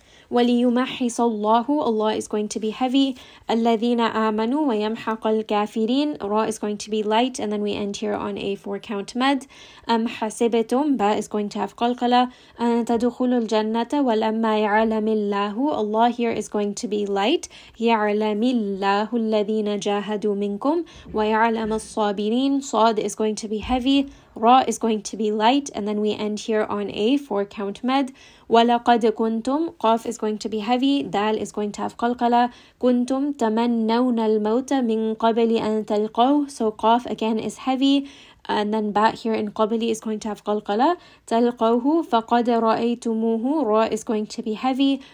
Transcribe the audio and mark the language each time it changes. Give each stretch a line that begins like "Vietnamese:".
Arabic: وَلِيُمَحِّصَ اللَّهُ
English: Allah is going to be heavy.
Arabic: الَّذِينَ آمَنُوا وَيَمْحَقَ الْكَافِرِينَ
English: Ra is going to be light. And then we end here on a four-count mad.
Arabic: أَمْ حَسِبَتُمْ
English: Ba is going to have قَلْقَلَ
Arabic: أَن تَدُخُلُوا الْجَنَّةَ وَلَمَّا يَعْلَمِ اللَّهُ
English: Allah here is going to be light.
Arabic: يَعْلَمِ اللَّهُ الَّذِينَ جَاهَدُوا مِنْكُمْ وَيَعْلَمَ الصَّابِرِينَ
English: Saad is going to be heavy. Ra is going to be light, and then we end here on a four count med.
Arabic: وَلَقَدْ كُنْتُمْ
English: قَاف is going to be heavy. Dal is going to have قَلْقَلَ
Arabic: كُنْتُمْ تَمَنَّوْنَ الْمَوْتَ مِنْ قَبْلِ أَن تَلْقَوْهُ
English: So قَاف again is heavy, and then ba here in قَبْلِ is going to have قَلْقَلَ
Arabic: تَلْقَوْهُ فَقَدْ رَأَيْتُمُوهُ
English: Ra is going to be heavy.